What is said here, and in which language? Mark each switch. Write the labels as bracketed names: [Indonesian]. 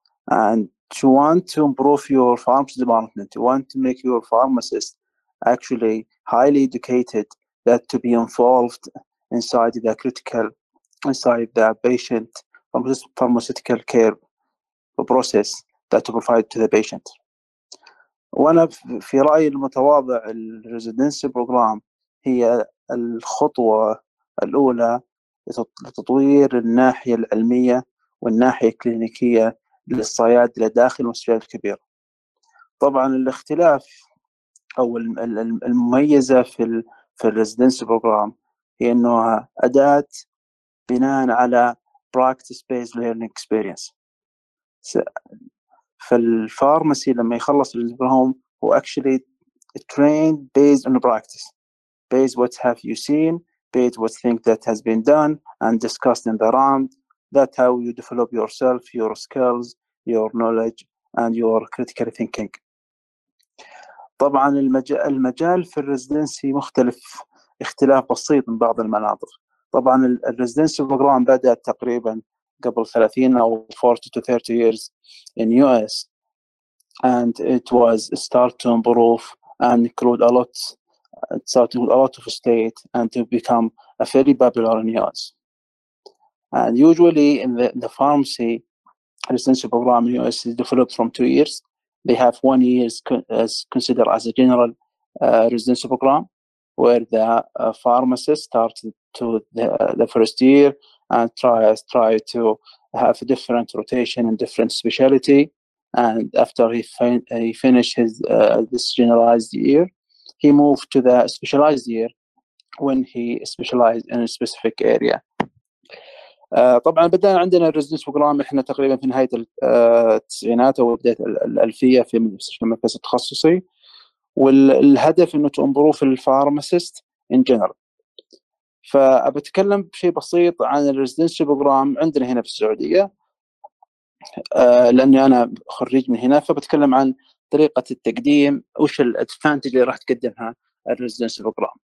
[English] And you want to improve your pharmacy department, you want to make your pharmacist actually highly educated, that to be involved inside the critical, inside the patient pharmaceutical care process that to provide to the patient. [Arabic] وأنا في رأيي المتواضع الريزيدنسي بروجرام هي الخطوة الأولى لتطوير الناحية العلمية والناحية الكلينيكية للصيادلة داخل المستشفيات الكبيرة. طبعاً الاختلاف أو المميزة في الريزيدنسي بروجرام هي أنها أداة بناء على [English] practice based learning experience. [Arabic] فالفارماسي لما يخلص الدبلوم هو [English] actually trained based on the practice, based what have you seen, based what think that has been done and discussed in the round. That how you develop yourself, your skills, your knowledge and your critical thinking. [Arabic] طبعا المجال في الريزيدنسي مختلف اختلاف بسيط من بعض المناطق. طبعا الريزيدنسي بروجرام بدأت تقريبا قبل 30 أو 40 [English] to 30 years in US, and it was start to improve and include a lot, starting with a lot of state and to become a very popular in US. And usually in the pharmacy residency program in US is developed from 2 years. They have 1 year as considered as a general residency program, where the pharmacist starts to the first year and try to have a different rotation and different specialty. And after he finished his this generalized year, he moved to the specialized year when he specialized in a specific area. [Arabic] طبعا بدأنا عندنا الريزنس بروجرام احنا تقريبا في نهايه التسعينات او بدايه الالفيه في مركز تخصصي، والهدف انه [English] To improve الفارماسيست in general. [Arabic] فبتكلم بشيء بسيط عن الريزنس بروجرام عندنا هنا في السعوديه، لاني انا خريج من هنا، فبتكلم عن طريقه التقديم وش الادفانتج اللي راح تقدمها الريزنس بروجرام.